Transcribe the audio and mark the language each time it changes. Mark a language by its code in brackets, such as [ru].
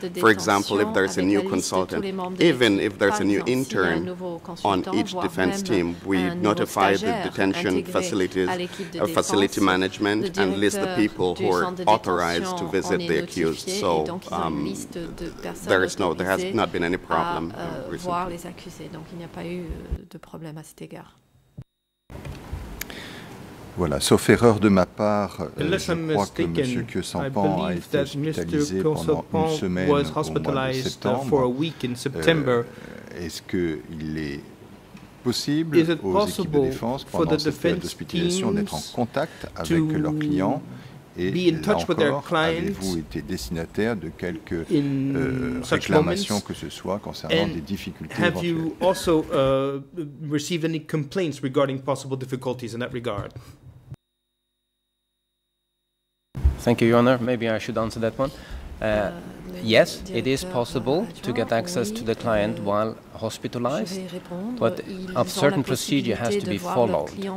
[en] For example, if there's a new consultant, even if there's a new intern on each defense team, we notify the detention facilities, facility management, and list the people who are authorized to visit the accused. So there has not been any problem recently. [fr] Voilà, sauf erreur de ma part, je crois que M. Kyo-Sampan a été hospitalisé pendant une semaine au mois de septembre. [en] For a week in September. [fr] Est-ce qu'il est possible aux équipes de défense pendant cette période d'hospitalisation d'être en contact avec leurs clients et là encore, avez-vous été destinataire de quelques réclamations que ce soit concernant des difficultés éventuelles? [en] Have you also received any complaints regarding possible difficulties in that regard? Thank you, Your Honor. Maybe I should answer that one. Yes, it is possible to get access to the client while hospitalized, but a certain procedure has to be followed.